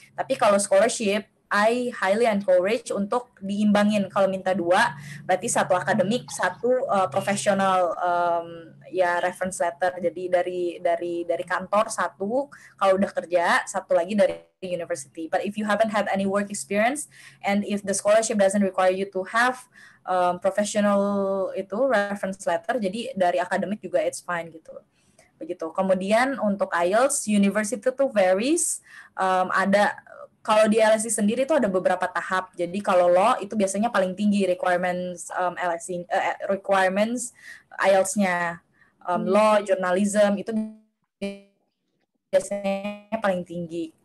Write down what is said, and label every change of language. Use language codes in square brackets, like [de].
[id] Tapi kalau scholarship, [en] I highly encourage [id] untuk diimbangin. Kalau minta dua, berarti satu akademik, satu professional ya reference letter. Jadi dari kantor satu, kalau udah kerja, satu lagi dari university. [en] But if you haven't had any work experience and if the scholarship doesn't require you to have professional [id] itu [en] reference letter, [id] jadi dari akademik juga [en] it's fine [id] gitu. Begitu. Kemudian untuk IELTS, university tuh varies. Ada kalau di LSE sendiri itu ada beberapa tahap. Jadi kalau law itu biasanya paling tinggi requirements LSE requirements IELTS-nya. Law, journalism itu biasanya paling tinggi.